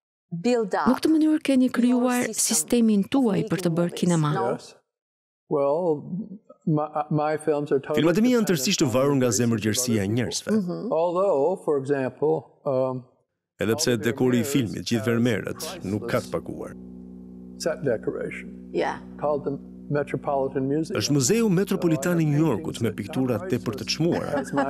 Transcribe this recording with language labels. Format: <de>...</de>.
<sq>Në këtë mënyrë keni krijuar sistemin tuaj për të bërë kinema.</sq> <en>Well, my films are totally.</en> <sq>Filmat e mi janë tërësisht të varur nga zemërgjërsia e njerëzve.</sq> <en>Although, for example,</en> <sq>edhe pse dekori i filmit, gjithë vermerët, nuk ka të paguar.</sq> <en>Set decoration. Yeah. Called the Metropolitan Museum.</en> <sq>Është Muzeu Metropolitan i New Yorkut me piktura tepër të çmuara.</sq>